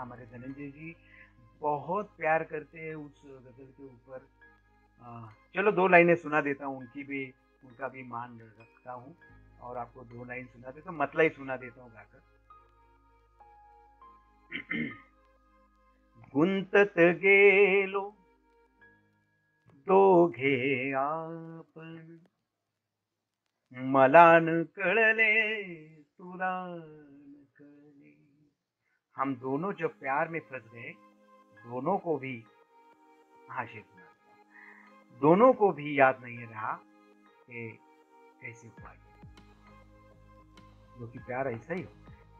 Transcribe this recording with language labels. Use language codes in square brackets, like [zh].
[hi] हमारे धनंजय जी बहुत प्यार करते हैं उस गजल के ऊपर। चलो दो लाइनें सुना देता हूँ, उनकी भी उनका भी मान रखता हूँ, और आपको दो लाइन सुना देता हूँ, मतलब ही सुना देता हूँ गाकर। [mr] गुंतत गेलो दोघे आपण, मलान कळले तुला कळले। [hi] हम दोनों जब प्यार में फंस गए, दोनों को भी, हाँ शेर सुना देता हूँ, दोनों को भी याद नहीं रहा कि कैसे हुआ, क्योंकि प्यार ऐसा ही होता है।